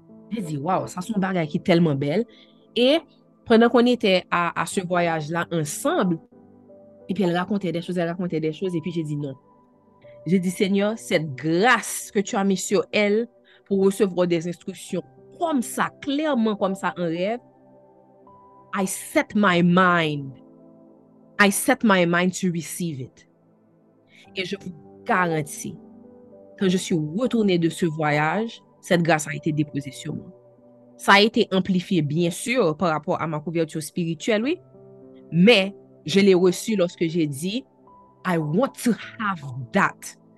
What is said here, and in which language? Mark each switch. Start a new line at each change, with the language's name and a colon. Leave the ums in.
French: J'ai dit, waouh, ça, c'est un bagage qui est tellement belle. Et pendant qu'on était à, à ce voyage-là ensemble, et puis elle racontait des choses, elle racontait des choses, et puis j'ai dit non. J'ai dit, Seigneur, cette grâce que tu as mis sur elle pour recevoir des instructions comme ça, clairement comme ça, en rêve,
English: I set my mind. I set my mind to receive it.
French: Et je vous garantis, quand je suis retournée de ce voyage, cette grâce a été déposée sur moi. Ça a été amplifié, bien sûr, par rapport à ma couverture spirituelle, oui. Mais je l'ai reçu lorsque j'ai dit,
English: I want to have that.